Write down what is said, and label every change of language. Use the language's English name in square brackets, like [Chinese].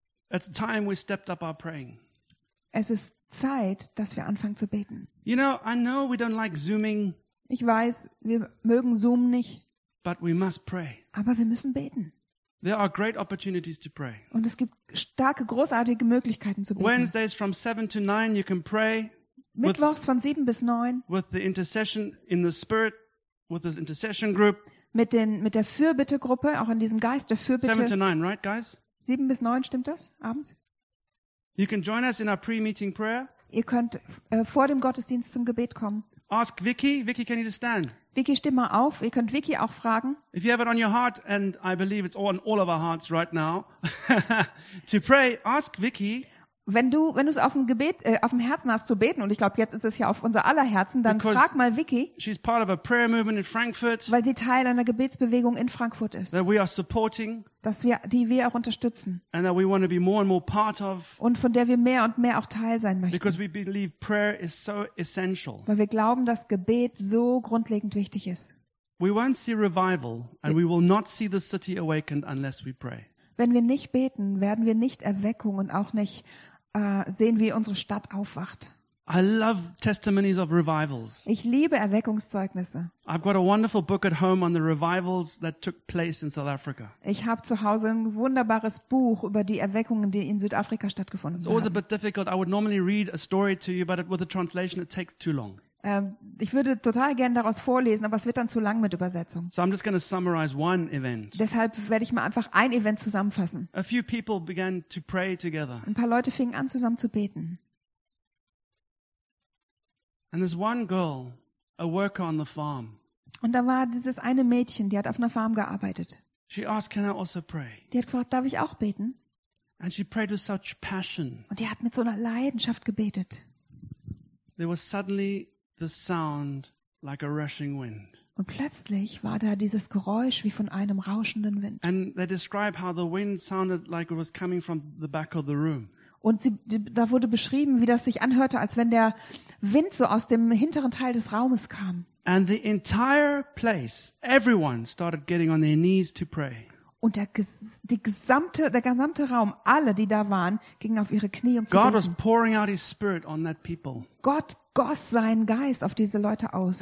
[English] It's time we stepped up our praying. [German] Es ist Zeit, dass wir anfangen zu beten. [English] You know, I know we don't like zooming. [German] Ich weiß, wir mögen Zoom nicht. [English] But we must pray. [German] Aber wir müssen beten. [English] There are great opportunities to pray. [German] Und es gibt starke, großartige Möglichkeiten zu beten. [English] Wednesdays from 7 to 9 you can pray. [German] Mittwochs von 7 bis 9. [English] With the intercession in the spirit with the intercession group. [German] Mit der Fürbittegruppe, auch in diesem Geist der Fürbitte. [English] 7 to 9, right guys? [German] 7 bis 9 stimmt das? Abends? [English] You can join us in our pre-meeting prayer. [German] Ihr könnt vor dem Gottesdienst zum Gebet kommen. [English] Ask Vicky. Vicky, can you stand? [German] Vicky, steh mal auf. Ihr könnt Vicky auch fragen. [English] If you have it on your heart, and I believe it's on all of our hearts right now, to pray, ask Vicky. [German] Wenn du es auf dem Herzen hast zu beten, und ich glaube, jetzt ist es ja auf unser aller Herzen, dann [English] because [German] frag mal Vicky. [English] She's part of a prayer movement in Frankfurt. [German] Weil sie Teil einer Gebetsbewegung in Frankfurt ist. [English] That we are supporting. [German] Die wir auch unterstützen. [English] And that we want to be more and more part of. [German] Und von der wir mehr und mehr auch Teil sein möchten. [English] Because we believe prayer is so essential. [German] Weil wir glauben, dass Gebet so grundlegend wichtig ist. [English] We won't see revival, and we will not see the city awakened unless we pray. [German] Wenn wir nicht beten, werden wir nicht Erweckung und auch nicht sehen, wie unsere Stadt aufwacht. [English] I love testimonies of revivals. [German] Ich liebe Erweckungszeugnisse. [English] I've got a wonderful book at home on the revivals that took place in South Africa. [German] Ich habe zu Hause ein wunderbares Buch über die Erweckungen, die in Südafrika stattgefunden haben. [English] It's always a bit difficult. I would normally read a story to you, but with a translation, it takes too long. [German] Ich würde total gerne daraus vorlesen, aber es wird dann zu lang mit Übersetzung. [English] So I'm just going to summarize one event. [German] Deshalb werde ich mal einfach ein Event zusammenfassen. [English] A few people began to pray together. [German] Ein paar Leute fingen an, zusammen zu beten. [English] And this one girl, a worker on the farm. [German] Und da war dieses eine Mädchen, die hat auf einer Farm gearbeitet. [English] She asked, "Can I also pray?" [German] Die hat gefragt, darf ich auch beten? [English] And she prayed with such passion. [German] Und die hat mit so einer Leidenschaft gebetet. [English] There was suddenly the sound like a rushing wind. [German] Und plötzlich war da dieses Geräusch wie von einem rauschenden Wind. [English] And they describe how the wind sounded like it was coming from the back of the room. [German] Und da wurde beschrieben, wie das sich anhörte, als wenn der Wind so aus dem hinteren Teil des Raumes kam. [English] And the entire place, everyone started getting on their knees to pray. [German] Und der gesamte Raum, alle, die da waren, gingen auf ihre Knie, um zu beten. [English] God was pouring out his spirit on that people. [German] Gott goss seinen Geist auf diese Leute aus.